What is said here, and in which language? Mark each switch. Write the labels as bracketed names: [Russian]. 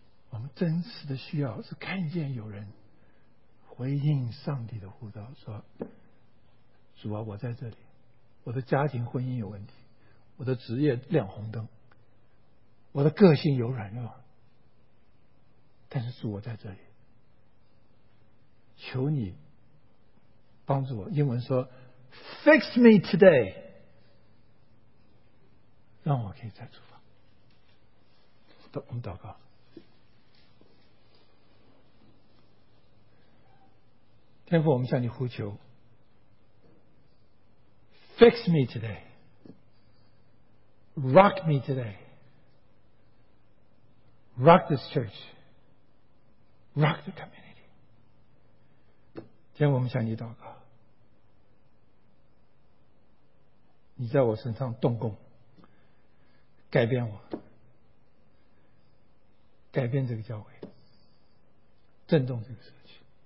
[Chinese] 我们真实的需要是看见有人回应上帝的呼召，说主啊，我在这里，我的家庭婚姻有问题，我的职业亮红灯，我的个性有软弱，但是主，我在这里，求你帮助我。英文说 [English] Fix me today， [Chinese] 让我可以再出发。我们祷告，天父，我们向你呼求 [English] Fix me today， Rock me today， Rock this church， Rock the community。 [Chinese] 今天我们向你祷告，你在我身上动工，改变我，改变这个教会，震动这个社区。